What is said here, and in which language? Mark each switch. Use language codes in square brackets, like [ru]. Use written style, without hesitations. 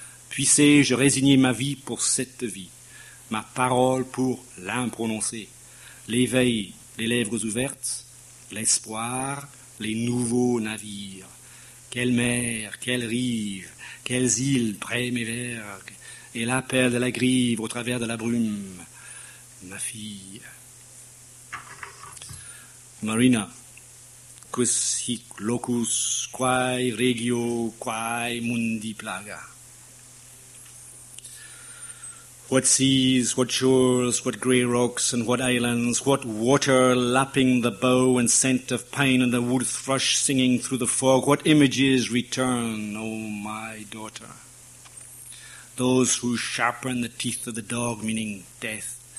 [fr] Puissais-je résigner ma vie pour cette vie, ma parole pour l'imprononcer, l'éveil, les lèvres ouvertes, l'espoir, les nouveaux navires. Quelle mer, quelle rive, quelles îles près mes vergues, et l'appel de la grive au travers de la brume, ma fille. [la] Marina, quis hic locus, quae regio, quae mundi plaga. [en] What seas, what shores, what grey rocks and what islands, what water lapping the bow and scent of pine and the wood thrush singing through the fog, what images return, O my daughter? Those who sharpen the teeth of the dog, meaning death.